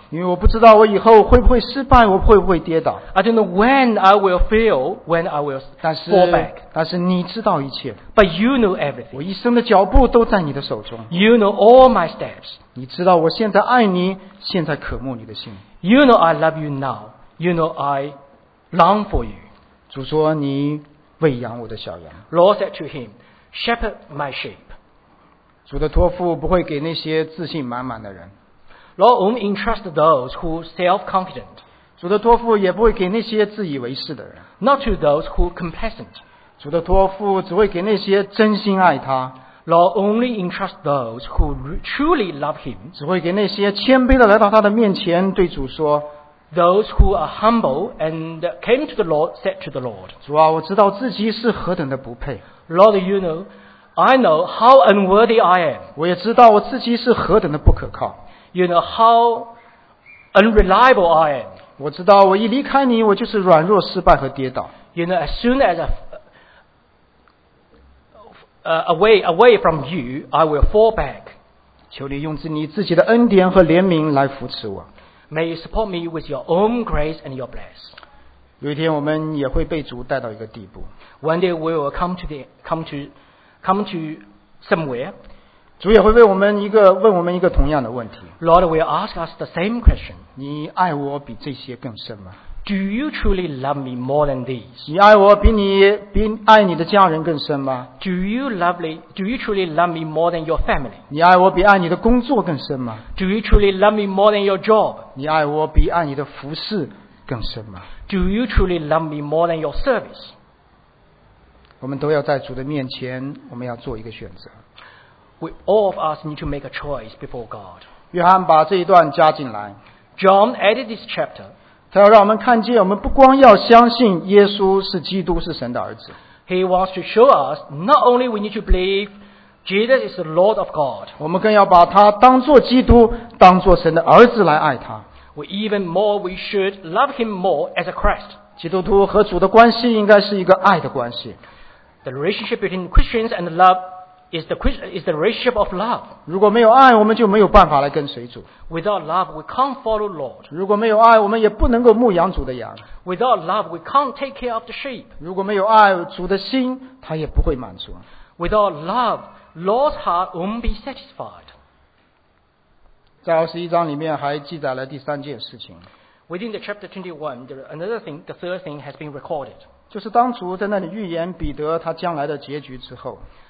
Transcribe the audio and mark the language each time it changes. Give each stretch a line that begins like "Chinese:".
Chinese: 因为我不知道我以后会不会失败，我会不会跌倒。
English: I don't know when I will fail, when I will fall back.
Chinese: 但是你知道一切。
English: But you know everything.
Chinese: 我一生的脚步都在你的手中。
English: You know all my steps.
Chinese: 你知道我现在爱你，现在渴慕你的心。
English: You know I love you now. You know I long for you.
Chinese: 主说你喂养我的小羊。
English: Lord said to him, Shepherd my sheep.
Chinese: 主的托付不会给那些自信满满的人。
English: Lord won't entrust those who are self-confident.
Chinese: 主的托付也不会给那些自以为是的人。
English: Not to those who are complacent.
Chinese: 主的托付只会给那些真心爱他。
English: Lord only entrust those who truly love him.
Chinese: 只会给那些谦卑的来到他的面前对主说，
English: Those who are humble and came to the Lord said to the Lord,
Chinese: 主啊，我知道自己是何等的不配。
English: Lord, you know, I know how unworthy I am.
Chinese: 我也知道我自己是何等的不可靠。
English: You know how unreliable I am.
Chinese: 我知道我一离开你，我就是软弱、失败和跌倒。
English: You know, as soon as away from you, I will fall back.
Chinese: 求你用你自己的恩典和怜悯来扶持我。
English: May you support me with your own grace and your blessing.
Chinese: 有一天我们也会被主带到一个地步。
English: One day we will come to somewhere.
Chinese: 主也会问我们一个同样的问题。
English: Lord will ask us the same question.
Chinese: 你爱我比这些更深吗？
English: Do you truly love me more than these?
Chinese: 你爱我比爱你的家人更深吗？
English: Do you truly love me more than your family?
Chinese: 你爱我比爱你的工作更深吗？
English: Do you truly love me more than your job?
Chinese: 你爱我比爱你的服事更深吗？
English: Do you truly love me more than your service?
Chinese: 我们都要在主的面前，我们要做一个选择。
English: We all of us need to make a choice before God.
Chinese: 约翰把这一段加进来。
English: John added this chapter.
Chinese: 他要让我们看见，我们不光要相信耶稣是基督，是神的儿子。
English: He wants to show us not only we need to believe Jesus is the Lord of God.
Chinese: 我们更要把他当作基督，当作神的儿子来爱他。
English: We even more we should love him more as a Christ.
Chinese: 基督徒和主的关系应该是一个爱的关系。
English: The relationship between Christians and love is the relationship of love.
Chinese: 如果没有爱，我们就没有办法来跟随主。
English: Without love, we can't follow Lord.
Chinese: 如果没有爱，我们也不能够牧养主的羊。
English: Without love, we can't take care of the sheep.
Chinese: 如果没有爱，主的心他也不会满足。
English: Without love, Lord's heart won't be satisfied.
Chinese: 在二十一章里面还记载了第三件事情。
English: Within the chapter 21, there is another thing. The third thing has been recorded.
Chinese: 就是当主在那里预言彼得他将来的结局之后。